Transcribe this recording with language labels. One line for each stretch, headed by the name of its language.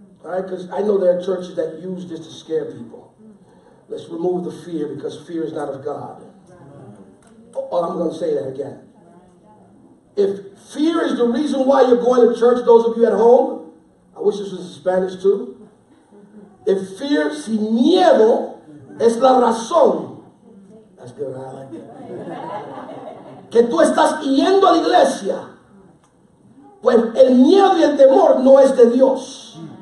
English: All right, because I know there are churches that use this to scare people. Let's remove the fear, because fear is not of God. Oh, I'm going to say that again. If fear is the reason why you're going to church, those of you at home, I wish this was in Spanish too. If fear,
Spanish: si miedo, es la razón.
English: That's good, right? I like that.
Spanish: Que tú estás yendo a la iglesia. Pues el miedo y el temor no es de Dios.